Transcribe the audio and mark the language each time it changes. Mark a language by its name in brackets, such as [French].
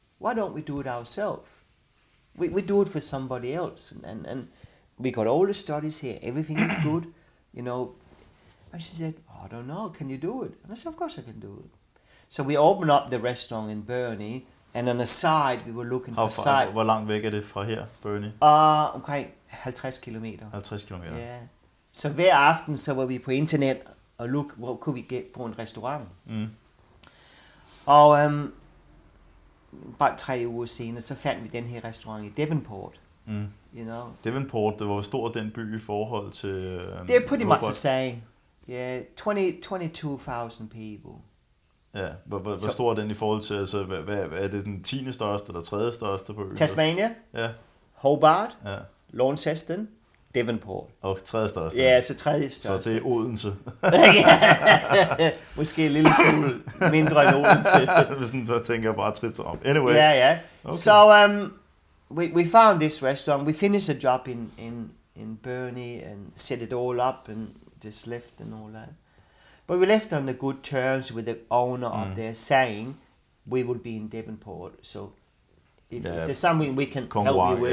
[English] Why don't we do it ourselves? We do it for somebody else. And we got all the studies here. Everything is good, you know. And she said, I don't know. Can you do it? And I said, of course I can do it. So we opened up the restaurant in Burnie. And on the side, we were looking for side. [Danish] Hvor langt væk er det fra her, Burnie? Okay, 50 kilometer. 50 kilometer. Yeah. Så hver aften, så var vi på internet og look, hvor kunne vi få en restaurant. Mm. Og bare 3 uger senere, så fandt vi den her restaurant i Devonport. Mm. [English] You know? [Danish] Devonport, det var stor den by i forhold til... Det er [English] pretty much the same. Yeah, 22,000 people. [Danish] Ja, hvor stor er den i forhold til, altså, hvad er det, den 10. største eller 3. største på øen? Tasmania, ja. Hobart, ja. Launceston, Devonport. Og 3. største. Ja, så 3. største. Så det er Odense. Måske en lille smule mindre end Odense. Hvis sådan, der tænker jeg bare trip til om. [English] Anyway. Ja, yeah, ja. Yeah. Okay. So, we found this restaurant. We finished a job in Burnie and set it all up and just left and all that. But we left on the good terms with the owner up there, saying we would be in Devonport. So if there's something we can help you with.